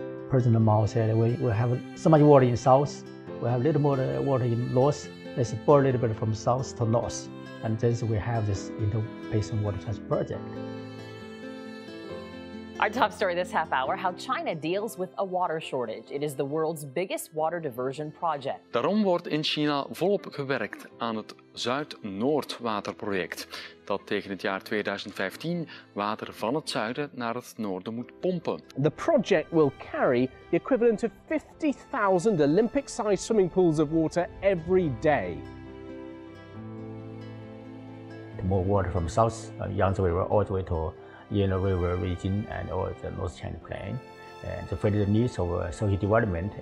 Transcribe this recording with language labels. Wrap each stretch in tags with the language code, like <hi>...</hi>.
<en>President Mao said we have so much water in the south, we have a little more water in the north. Let's pour a little bit from south to north, and then we have this inter-basin water transfer project. Our top story this half hour, how China deals with a water shortage. It is the world's biggest water diversion project.</en> <nl>Daarom wordt in China volop gewerkt aan het Zuid-Noordwaterproject, dat tegen het jaar 2015 water van het zuiden naar het noorden moet pompen.</nl> <en>The project will carry the equivalent of 50,000 Olympic-sized swimming pools of water every day. More water from south, Yangtze River, all the way to Yellow River region and all the North China Plain, and to fill the needs of social development.</en>